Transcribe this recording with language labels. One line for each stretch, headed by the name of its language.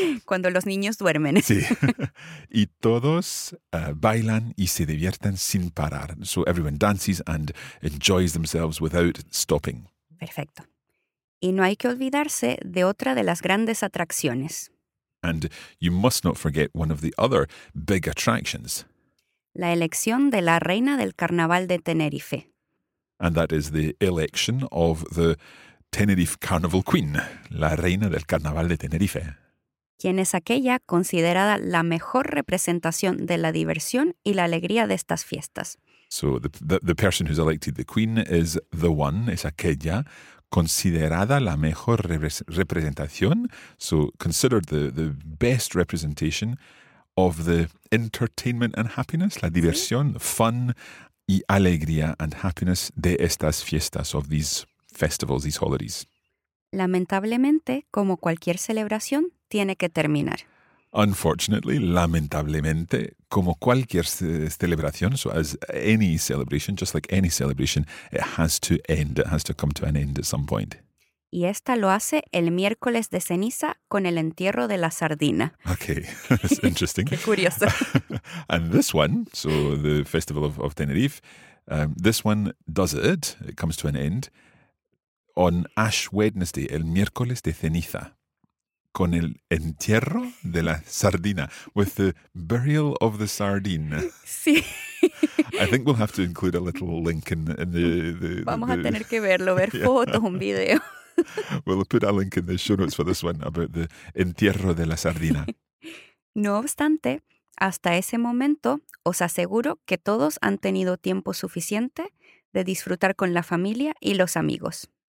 Spanish: Cuando los niños duermen. Sí. Y todos bailan y se divierten sin parar.
English: So everyone dances and enjoys themselves without stopping.
Spanish: Perfecto. Y no hay que olvidarse de otra de las grandes atracciones.
English: And you must not forget one of the other big attractions.
Spanish: La elección de la reina del carnaval de Tenerife.
English: And that is the election of the Tenerife Carnival Queen,
Spanish: la reina del carnaval de Tenerife. Quien es aquella considerada la mejor representación de la diversión y la alegría de estas fiestas.
English: So the person who's elected the queen is the one,
Spanish: es aquella, considerada la mejor representación,
English: so considered the best representation of the entertainment and happiness,
Spanish: la diversión,
English: fun
Spanish: y alegría
English: and happiness
Spanish: de estas fiestas,
English: of these festivals, these holidays.
Spanish: Lamentablemente, como cualquier celebración, tiene que terminar.
English: Unfortunately,
Spanish: lamentablemente, como cualquier celebración,
English: so as any celebration, just like any celebration, it has to end, it has to come to an end at some point.
Spanish: Y esta lo hace el miércoles de ceniza con el entierro de la sardina.
English: Okay, that's interesting.
Spanish: Qué curioso.
English: And this one, so the festival of Tenerife, this one does it, it comes to an end, on Ash Wednesday,
Spanish: el miércoles de ceniza. Con el entierro de la sardina,
English: with the burial of the sardine.
Spanish: Sí.
English: I think we'll have to include a little link in the
Spanish: Vamos
English: the,
Spanish: a tener que verlo, ver yeah. fotos, un video.
English: We'll put a link in the show notes for this one about the entierro de la sardina.
Spanish: No obstante, hasta ese momento, os aseguro que todos han tenido tiempo suficiente de disfrutar con la familia y los amigos.